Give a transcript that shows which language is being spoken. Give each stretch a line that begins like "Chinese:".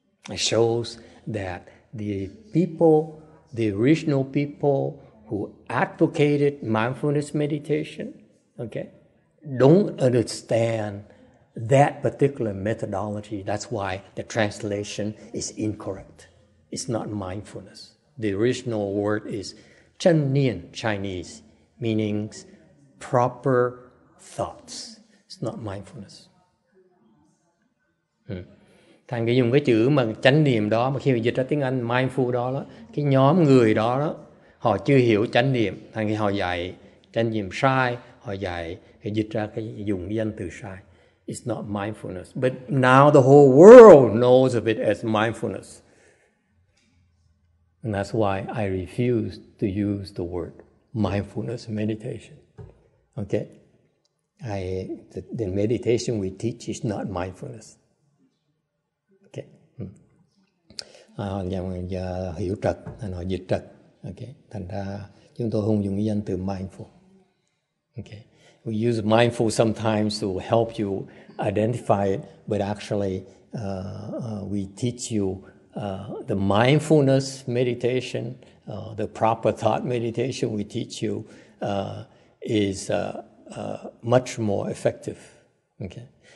English: It shows that the people, the original people who advocated mindfulness meditation, okay, don't understand that particular methodology. That's why the translation is incorrect. It's not mindfulness. The original word is chan nian, Chinese, meaning proper thoughts. It's not mindfulness.
Vietnamese: Thành cái dùng cái chữ mà chánh niệm đó, mà khi mà dịch ra tiếng Anh mindful đó, cái nhóm người đó họ chưa hiểu chánh niệm, thành cái họ dạy chánh niệm sai, họ dạy thì dịch ra cái dùng cái danh từ sai.
English: It's not mindfulness, but now the whole world knows of it as mindfulness, and that's why I refuse to use the word mindfulness meditation. Okay, the meditation we teach is not mindfulness.
Vietnamese: Giờ hiểu trật, nó dịch trật. Okay. Thành ra chúng tôi không dùng cái danh từ mindful.
English: Okay. We use mindful sometimes to help you identify it, but actually we teach you the mindfulness meditation, the proper thought meditation we teach you is much more effective. Okay.